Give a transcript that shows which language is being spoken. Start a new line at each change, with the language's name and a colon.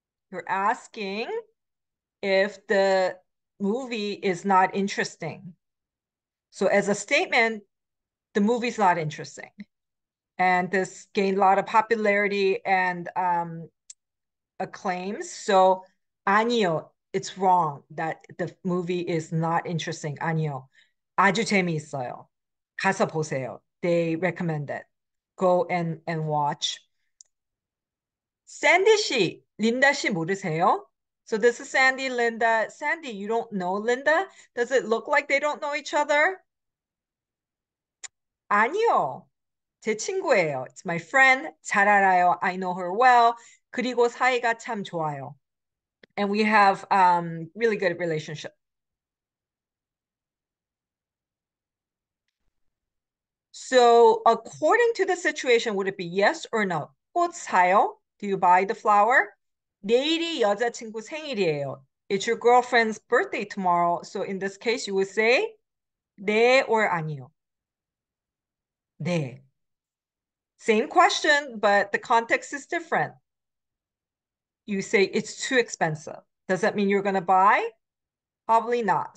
English: You're asking if the movie is not interesting. So as a statement, the movie's not interesting. And this gained a lot of popularity and acclaims. So 아니요, it's wrong that the movie is not interesting.
Korean: 아니요, 아주 재미있어요. 가서 보세요.
English: They recommend it. Go and watch.
Korean: Sandy 씨, Linda 씨 모르세요?
English: So this is Sandy, Linda. Sandy, you don't know Linda? Does it look like they don't know each other?
Korean: 아니요. 제 친구예요.
English: It's my friend.
Korean: 잘 알아요.
English: I know her well.
Korean: 그리고 사이가 참 좋아요.
English: And we have really good relationship. So according to the situation, would it be yes or no?
Korean: 꽃 사요?
English: Do you buy the flower?
Korean: 내일이 여자친구 생일이에요.
English: It's your girlfriend's birthday tomorrow. So in this case, you would say 네 or 아니요. 네. Same question, but the context is different. You say it's too expensive. Does that mean you're going to buy? Probably not.